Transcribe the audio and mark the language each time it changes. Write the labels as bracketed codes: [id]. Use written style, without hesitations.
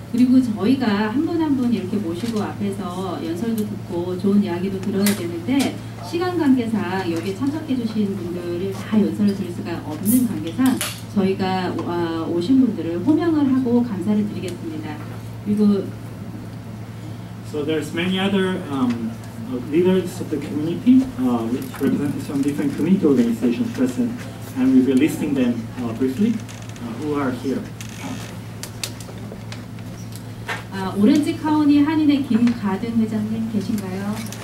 [ko] 그리고 저희가 한 분 한 분 이렇게 모시고 앞에서 연설도 듣고 좋은 이야기도 들어야 되는데 시간 관계상 여기 참석해 주신 분들을 다 연설을 드릴 수가 없는 관계상 저희가 오신 분들을 호명을 하고 감사를 드리겠습니다. 그리고 [en] So there's many other leaders of the community which represent some different community organizations present. And we'll be listing them briefly, who are here. [ko] 오렌지 카운티 한인의 김가든 회장님 계신가요?